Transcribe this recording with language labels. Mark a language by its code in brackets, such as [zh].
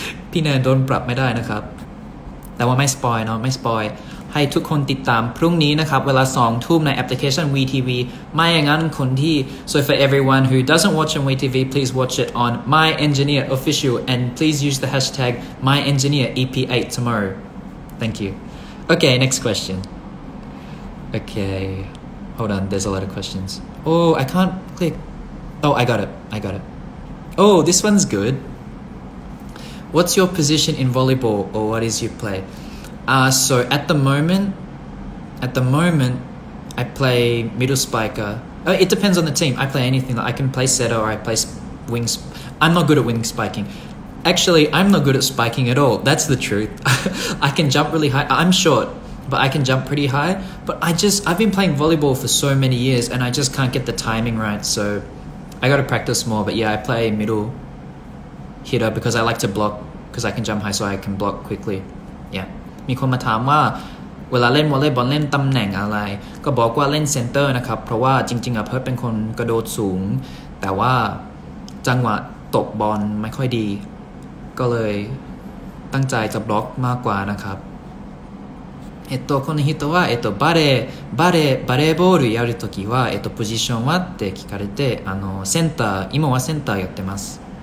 [th] พี่แนนโดนปรับไม่ได้นะครับแต่ว่าไม่สปอยเนาะไม่สปอยให้ทุกคนติดตามพรุ่งนี้นะครับเวลา2ทุ่มในแอปพลิเคชัน WeTV ไม่อย่างนั้นคนที่ [en] So for everyone who doesn't watch on WeTV please watch it on My Engineer Official and please use the hashtag My Engineer EP8 tomorrow Thank you Okay, next question Okay Hold on, there's a lot of questions Oh, I can't clickOh, I got it. Oh, this one's good. What's your position in volleyball or what is your play? So at the moment, I play middle spiker. It depends on the team. I play anything. Like, I can play setter or I play wings. I'm not good at wing spiking. Actually, I'm not good at spiking at all. That's the truth. I can jump really high. I'm short. But I can jump pretty high. But I've been playing volleyball for so many years and I just can't get the timing right. So I got to practice more. But yeah, I play middle hitter because I like to block because I can jump high so I can block quickly. Yeah. [th] มีคนมาถามว่าเวลาเล่นวอลเลย์บอลเล่นตำแหน่งอะไรก็บอกว่าเล่นเซนเตอร์นะครับเพราะว่าจริงๆอ่ะเพิร์ทเป็นคนกระโดดสูงแต่ว่าจังหวะตกบอลไม่ค่อยดีก็เลยตั้งใจจะบล็อกมากกว่านะครับ [ja] この人は、バレーボールやるときは、ポジションはって聞かれて、センター、今はセンターやってます。